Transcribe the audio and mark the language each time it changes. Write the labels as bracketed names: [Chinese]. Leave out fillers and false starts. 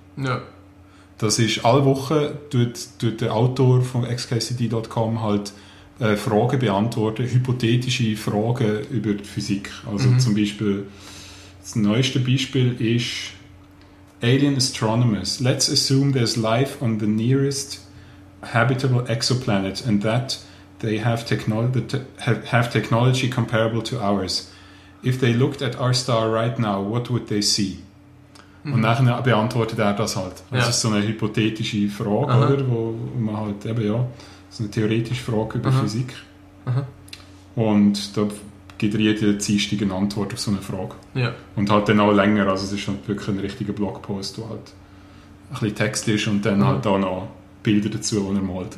[German] Ja. Das ist, alle Woche tut der Autor von xkcd.com halt Fragen beantworten, hypothetische Fragen über die Physik. Also zum Beispiel, das neueste Beispiel ist Alien Astronomers. [English] Let's assume there's life on the nearest habitable exoplanet and that they have technology comparable to ours. If they looked at our star right now, what would they see? [German] Und nachher beantwortet er das halt. Das ist so eine hypothetische Frage, oder? Wo man halt eben, ja, so eine theoretische Frage über Physik. Und da gibt er jede Dienstag eine Antwort auf so eine Frage. Ja. Und halt dann auch länger, also es ist halt wirklich ein richtiger Blogpost, wo halt ein bisschen Text ist und dann halt auch noch Bilder dazu, die er malt.